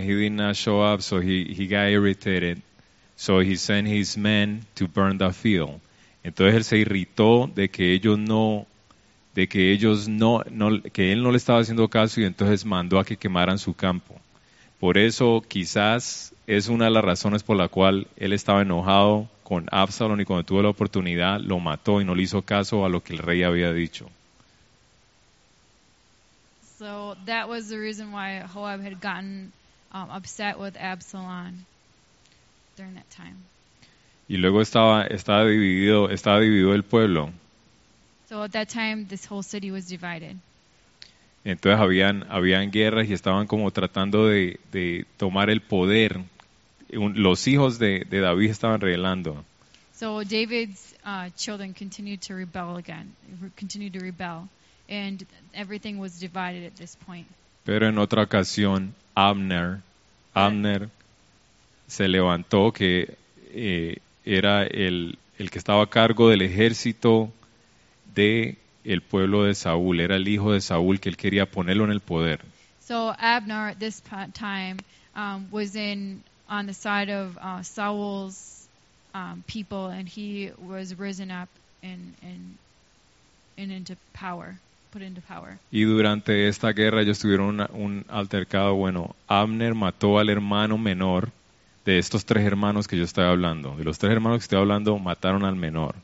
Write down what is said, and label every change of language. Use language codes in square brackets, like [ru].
[en] he did not show up, so he got irritated. So he sent his men to burn the field. [es] Entonces él se irritó de que él no le estaba haciendo caso y entonces mandó a que quemaran su campo. Por eso quizás es una de las razones por la cual él estaba enojado con Absalón y cuando tuvo la oportunidad lo mató y no le hizo caso a lo que el rey había dicho. [en] So that was the reason why Joab had gotten upset with Absalom during that time. [es] Y luego estaba dividido el pueblo. [en] So at that time this whole city was divided. [es] Entonces habían guerras y estaban como tratando de tomar el poder. Los hijos de David estaban rebelando. [en] So David's children continued to rebel again, continued to rebel, and everything was divided at this point. [es] Pero en otra ocasión Abner se levantó, que era el que estaba a cargo del ejército de el pueblo de Saúl, era el hijo de Saúl, que él quería ponerlo en el poder. [en] So Abner at this time was in on the side of Saul's people, and he was risen up and into power. [es] Y durante esta guerra ellos tuvieron un altercado. Bueno, Abner mató al hermano menor de estos tres hermanos que yo estaba hablando. De los tres hermanos que estoy hablando, mataron al menor.